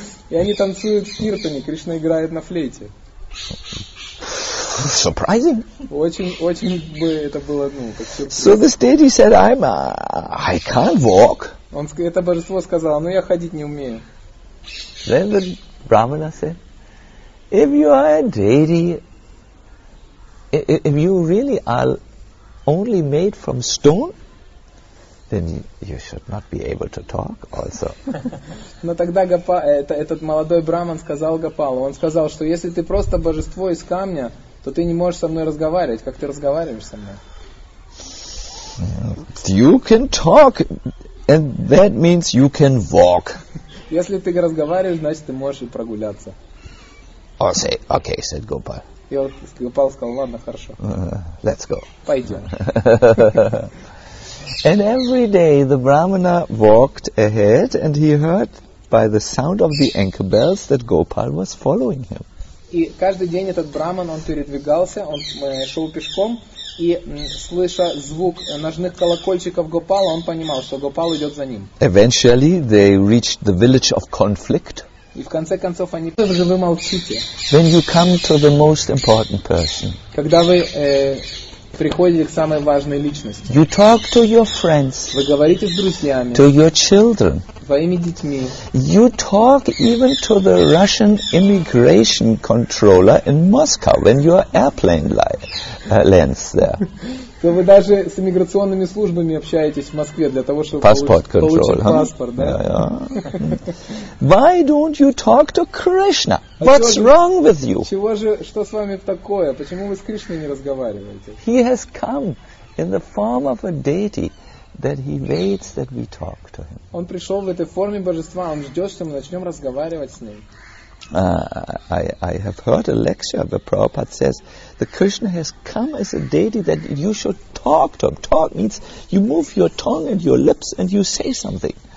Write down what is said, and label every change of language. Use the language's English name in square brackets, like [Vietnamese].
[Russian] И они танцуют в киртане, Кришна играет на флейте. [English] Surprising. [Russian] Очень-очень бы это было, ну, как сюрприз. [English] So this deity said, I can't walk. [Russian] Он, это божество сказало, ну я ходить не умею. [English] Then the Brahmana said, if you are a deity, if you really are only made from stone, then you should not be able to talk also. [Russian] Но тогда этот молодой Брахман сказал Гопалу, он сказал, что если ты просто божество из камня, то ты не можешь со мной разговаривать, как ты разговариваешь со мной. [English] You can talk, and that means you can walk. [Russian] Если ты разговариваешь, значит, ты можешь и прогуляться. [English] Okay, said Gopal. [Russian] И вот Гопал сказал, ладно, хорошо. [English] Let's go. [Russian] Пойдем. [English] And every day the Brahmana walked ahead, and he heard by the sound of the anchor bells that Gopal was following him. [Russian] И каждый день этот Брахман, он передвигался, он шел пешком, и слыша звук ножных колокольчиков Гопала, он понимал, что Гопал идет за ним. [English] Eventually they reached the village of conflict. [Russian] И в конце концов они уже вы молчите. [English] When you come to the most important person. [Russian] Когда вы приходите к самой важной личности. [English] You talk to your friends. [Russian] Вы говорите с друзьями. [English] To your children. [Russian] Своими детьми. [English] You talk even to the Russian immigration controller in Moscow when your airplane lands there. [Russian] То вы даже с иммиграционными службами общаетесь в Москве для того, чтобы получить паспорт, да? [English] Why don't you talk to Krishna? What's wrong with you? [Russian] Чего же, что с вами такое? Почему вы с Кришной не разговариваете? [English] He has come in the form of a deity that he waits that we talk to him. [Russian] Он пришел в этой форме божества, он ждет, что мы начнем разговаривать с ним. [English] I have heard a lecture where Prabhupada says the Krishna has come as a deity that you should talk to him. Talk means you move your tongue and your lips and you say something.